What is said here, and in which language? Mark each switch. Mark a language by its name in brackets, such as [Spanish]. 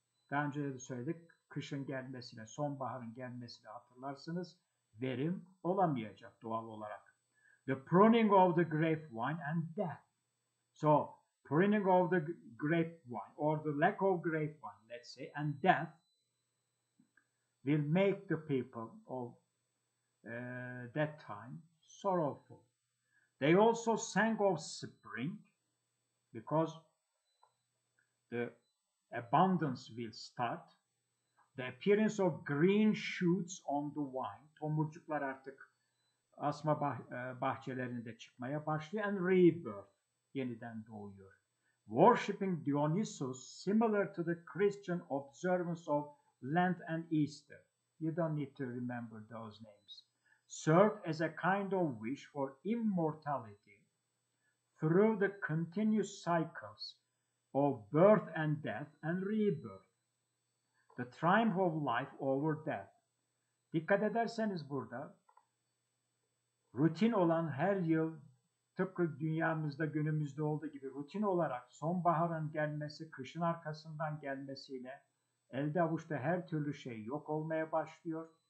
[Turkish] Daha önce de söyledik, kışın gelmesine, sonbaharın gelmesine hatırlarsınız, verim olamayacak doğal olarak. [English] The pruning of the grape vine and death. So, pruning of the grape vine, or the lack of grape vine, let's say, and death will make the people of that time sorrowful. They also sang of spring, because the abundance will start. The appearance of green shoots on the vine, tomurcuklar artık asma bahçelerinde çıkmaya başlıyor, and rebirth, yeniden doğuyor. Worshipping Dionysus, similar to the Christian observance of Lent and Easter, you don't need to remember those names, served as a kind of wish for immortality through the continuous cycles of birth and death and rebirth, the triumph of life over death. [Turkish] Dikkat ederseniz burada, rutin olan her yıl, tıpkı dünyamızda, günümüzde olduğu gibi rutin olarak sonbaharın gelmesi, kışın arkasından gelmesiyle elde avuçta her türlü şey yok olmaya başlıyor.